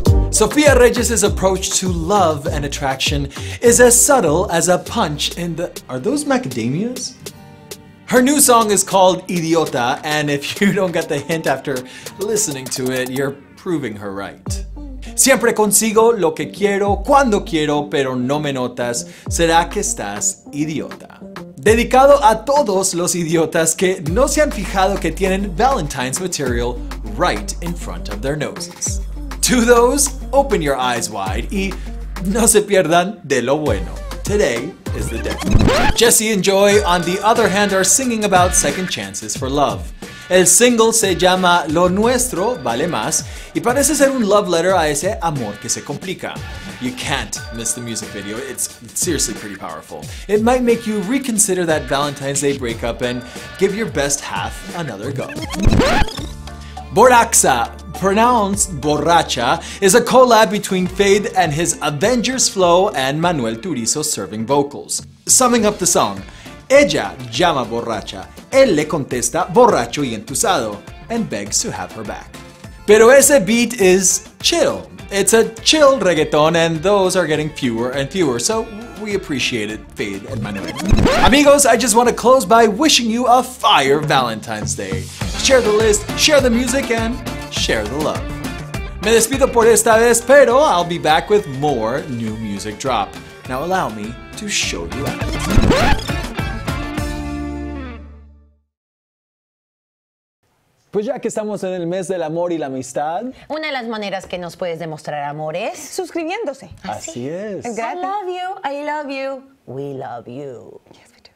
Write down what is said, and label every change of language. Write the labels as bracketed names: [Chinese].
[English] Sofía Reyes' approach to love and attraction is as subtle as a punch in the... Are those macadamias? Her new song is called Idiota, and if you don't get the hint after listening to it, you're proving her right. [Spanish] Siempre consigo lo que quiero, cuando quiero, pero no me notas. ¿Será que estás idiota? Dedicado a todos los idiotas que no se han fijado que tienen [English] Valentine's material right in front of their noses. To those, open your eyes wide [Spanish] y no se pierdan de lo bueno. [English] Today is the day. Jesse and Joy, on the other hand, are singing about second chances for love. [Spanish] El single se llama Lo Nuestro Vale Más y parece ser un love letter a ese amor que se complica. [English] You can't miss the music video. It's seriously pretty powerful. It might make you reconsider that Valentine's Day breakup and give your best half another go. Boraxa, pronounced borracha, is a collab between Feid and his Avengers flow and Manuel Turizo serving vocals. Summing up the song, [Spanish] ella llama borracha, él le contesta borracho y entusado, [English] and begs to have her back. [Spanish] Pero ese [English] beat is chill. It's a chill reggaeton, and those are getting fewer and fewer, so we appreciate it, Feid and Manuel. Amigos, I just want to close by wishing you a fire Valentine's Day. Share the list, share the music, and share the love. [Spanish] Me despido por esta vez, pero [English] I'll be back with more new music drop. Now allow me to show you out. [Spanish] Pues ya que estamos en el mes del amor y la amistad, una de las maneras que nos puedes demostrar amor es suscribiéndose. Así es. [English] I love you. I love you. We love you. Yes.